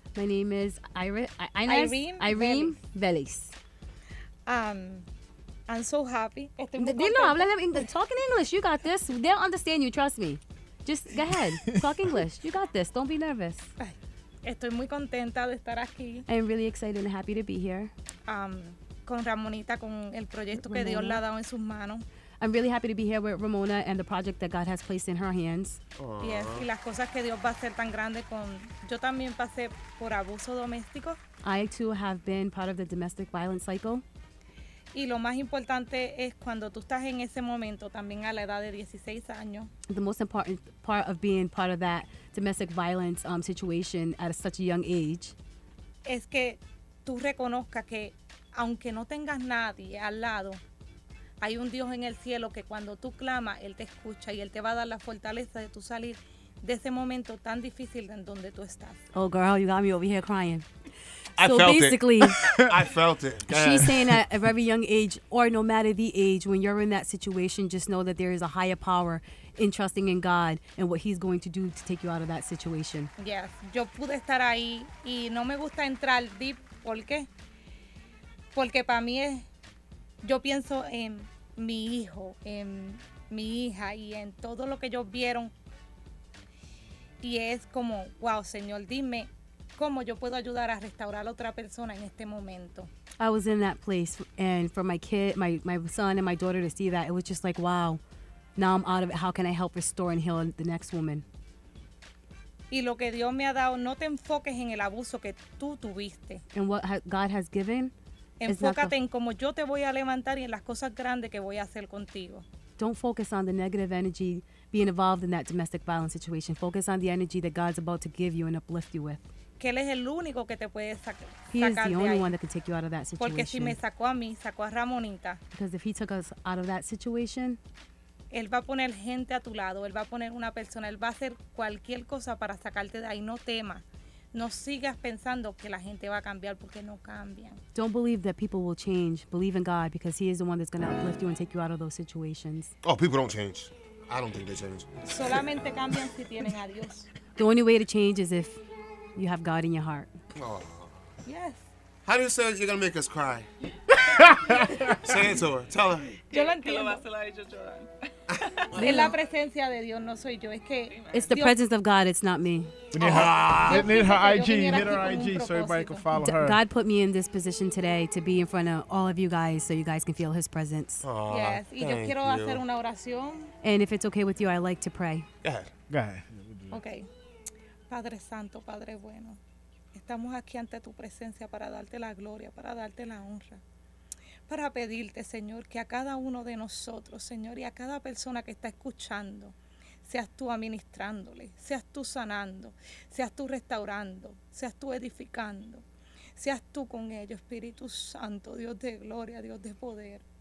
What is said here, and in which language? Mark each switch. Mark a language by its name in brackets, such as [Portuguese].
[English] My name is Irene Vélez. I'm so happy. Talk in English. You got this. They'll understand you. Trust me. Just go ahead. Talk English. You got this. Don't be nervous. [Spanish] Estoy muy contenta de estar aquí. [English] I'm really excited and happy to be here. [Spanish] Con Ramonita, con el proyecto Ramona. Que Dios le ha dado en sus manos. [English] I'm really happy to be here with Ramona and the project that God has placed in her hands. Aww. [Spanish] Yes, y las cosas que Dios va a hacer tan grande con... Yo también pasé por abuso doméstico. [English] I, too, have been part of the domestic violence cycle. [Spanish] Y lo más importante es cuando tú estás en ese momento, también a la edad de 16 años. [English] The most important part of being part of that domestic violence situation at such a young age. [Spanish] Es que tú reconozcas que aunque no tengas nadie al lado, hay un Dios en el cielo que cuando tú clamas, Él te escucha y Él te va a dar la fortaleza de tú salir de ese momento tan difícil en donde tú estás. [English] Oh, girl, you got me over here crying. I felt it. She's saying at a very young age, or no matter the age, when you're in that situation, just know that there is a higher power in trusting in God and what He's going to do to take you out of that situation. [Spanish] Yes, yo pude estar ahí y no me gusta entrar deep, ¿por qué? Porque para mí es, yo pienso en mi hijo, en mi hija y en todo lo que ellos vieron y es como, wow, Señor, dime. ¿Cómo yo puedo ayudar a restaurar a otra persona en este momento? [English] I was in that place, and for my kid, my son and my daughter to see that, it was just like, wow, now I'm out of it. How can I help restore and heal the next woman? [Spanish] Y lo que Dios me ha dado, no te enfoques en el abuso que tú tuviste. [English] And what God has given. [Spanish] Enfócate en cómo yo te voy a levantar y en las cosas grandes que voy a hacer contigo. [English] Don't focus on the negative energy being involved in that domestic violence situation. Focus on the energy that God's about to give you and uplift you with. [Spanish] Que él es el único que te puede sacar de ahí. Porque si me sacó a mí, sacó a Ramonita. [English] Because if he took us out of that situation, [Spanish] él va a poner gente a tu lado, él va a poner una persona, él va a hacer cualquier cosa para sacarte de ahí. No temas. No sigas pensando que la gente va a cambiar porque no cambian. [English] Don't believe that people will change. Believe in God because he is the one that's going to uplift you and take you out of those situations. Oh, people don't change. I don't think they change. [Spanish] Solamente cambian si tienen a Dios. [English] The only way to change is if you have God in your heart. Aww. Yes. How do you say you're going to make us cry? Say it to her. Tell her. [Spanish] Yo lo entiendo. Es la presencia de Dios, no soy yo. Es que [English] it's the presence of God, it's not me. Need her IG so everybody can follow her. God put me in this position today to be in front of all of you guys so you guys can feel His presence. [Spanish] Aww, yes. Y yo quiero hacer una oración. [English] And if it's okay with you, I like to pray. Go ahead. Okay. [Spanish] Padre Santo, Padre Bueno, estamos aquí ante tu presencia para darte la gloria, para darte la honra, para pedirte, Señor, que a cada uno de nosotros, Señor, y a cada persona que está escuchando, seas tú administrándole, seas tú sanando, seas tú restaurando, seas tú edificando, seas tú con ellos, Espíritu Santo, Dios de gloria, Dios de poder.